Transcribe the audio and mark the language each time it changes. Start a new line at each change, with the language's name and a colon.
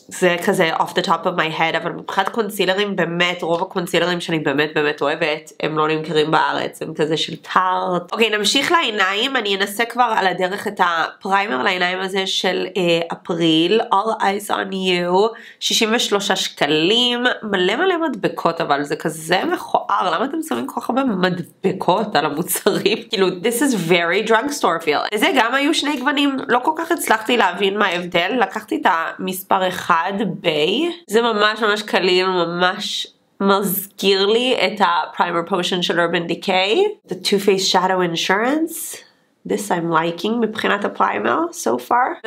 Hebrew: זה כזה
English: off the top of my head,
Hebrew: אבל מבחינת קונסילרים, באמת, רוב הקונסילרים שאני באמת באמת אוהבת, הם לא נמכרים בארץ, הם כזה של טארט. אוקיי, נמשיך לעיניים, אני אנסה כבר על הדרך את הפריימר לעיניים הזה של אפריל, All Eyes on You, 63 שקלים, מלא מלא מדבקות, אבל זה כזה מכוער, למה אתם שמים כל כך הרבה מדבקות על המוצרים? כאילו,
English: this is very drugstore feel.
Hebrew: זה גם היו שני גוונים, לא כל כך הצלחתי להבין מה ההבדל, לקחתי את המספר אחד ביי, זה ממש ממש קליל, ממש מזכיר לי את הפריימר פושן של Urban Decay, the Too Faced Shadow Insurance,
English: this I'm liking
Hebrew: מבחינת הפריימר
English: so far.